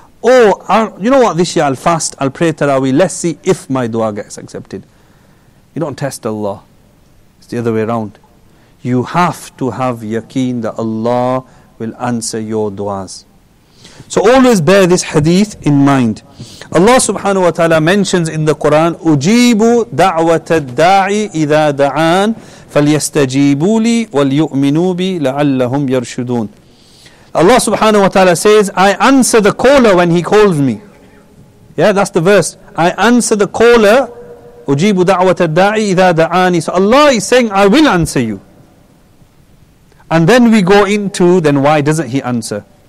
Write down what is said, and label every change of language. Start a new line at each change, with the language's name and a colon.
English: Oh, you know what, this year I'll fast, I'll pray Taraweeh, let's see if my dua gets accepted. You don't test Allah. It's the other way around. You have to have yaqeen that Allah will answer your duas. So always bear this hadith in mind.
Arabic: Allah subhanahu wa ta'ala mentions in the Quran, أُجِيبُ دَعْوَةَ الدَّاعِ إِذَا دَعَانَ فَلْيَسْتَجِيبُوا لِي وَلْيُؤْمِنُوا بِي لَعَلَّهُمْ يَرْشُدُونَ.
English: Allah subhanahu wa ta'ala says, I answer the caller when he calls me. Yeah, that's the verse. I answer the caller.
Arabic: Ujibu da'wata da'i idha da'ani.
English: So Allah is saying, I will answer you. And then we go into, then why doesn't he answer?